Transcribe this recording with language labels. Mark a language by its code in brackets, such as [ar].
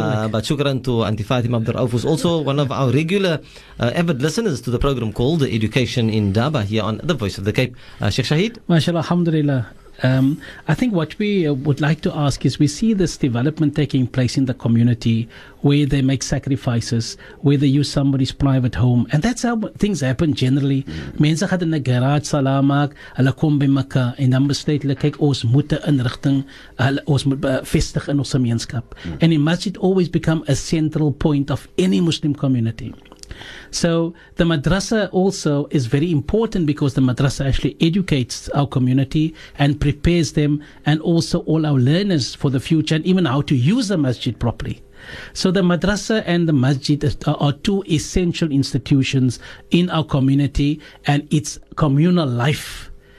[en] But shukran to Auntie Fatima Abdurauf, who's also one of our regular avid listeners to the program called Education in Daba here on The Voice of the Cape. Sheikh Shahid. [ar] MashaAllah, alhamdulillah. [en] I think what we would like to ask is, we see this development taking place in the community where they make sacrifices, where they use somebody's private home, and that's how things happen generally. [af] Mense gaan in 'n garage salaam maak, hulle kom by mekaar en dan besluit hulle kyk ons moet 'n inrigting, ons moet vestig in ons gemeenskap. [en] And it must always become a central point of any Muslim community. So the madrasa also is very important, because the madrasa actually educates our community and prepares them and also all our learners for the future, and even how to use the masjid properly. So the madrasa and the masjid are two essential institutions in our community and its communal life.